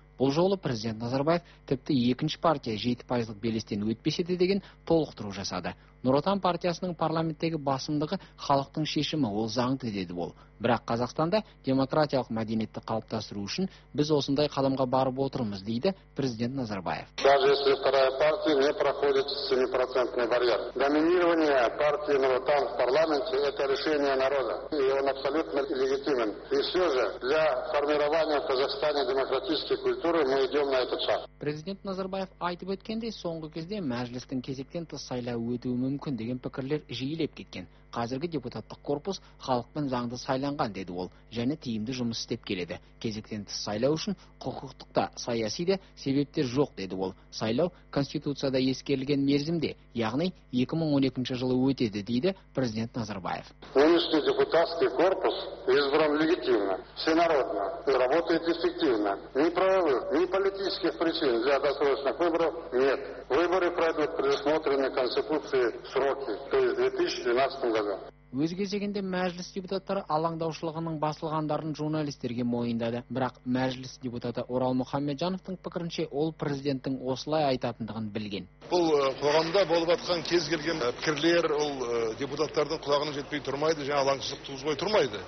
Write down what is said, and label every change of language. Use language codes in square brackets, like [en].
[kk] Бұл жолы президент Назарбаев тіпті екінші партия 7% белестен өтпесе де деген толықтыру жасады. Нұр Отан партиясының парламенттегі басымдығы халықтың шешімі, ол заңды деді ол. Бірақ Қазақстанда демократиялық мәдениетті қалыптастыру үшін біз осындай қадамға барып отырмыз дейді президент Назарбаев. [ru] Даже если вторая партия не проходит 7% барьер. Доминирование партии Нұр Отан в парламенте это решение народа, и он абсолютно легитимен. И все же для формирования в Казахстане демократической культуры мы идем на этот шаг. [kk] Президент Назарбаев айтып өткендей, соңғы кезде мәжілістің кезектен тыс сайлауы өтуі мүмкін деген пікірлер жиілеп кеткен. Қазіргі депутаттық корпус халықпен заңды сайланған деді ол, және тиімді жұмыс істеп келеді. Кезектен тыс сайлау үшін құқықтық та, саяси де себептер жоқ деді ол. Сайлау конституцияда ескерілген мерзімде, яғни 2012 жылы өтеді дейді президент Назарбаев. [ru] Нынешний депутатский корпус избран легитимно, всенародно, работает эффективно. Ни правовых, ни политических причин для досрочных выборов нет. Выборы пройдут предусмотренные конституцией сроки, то есть 2012 году. [kk] Өз кезегінде мәжіліс депутаттары алаңдаушылығының басылғандарын журналистерге мойындады. Бірақ мәжіліс депутаты Орал Мұхамеджановтың пікірінше ол президенттің осылай айтатындығын білген. Бұл қоғамда болып жатқан кез келген пікірлер ол депутаттардың құлағына жетпей тұрмайды, жаңа алаңсыздық туғызбай тұрмайды.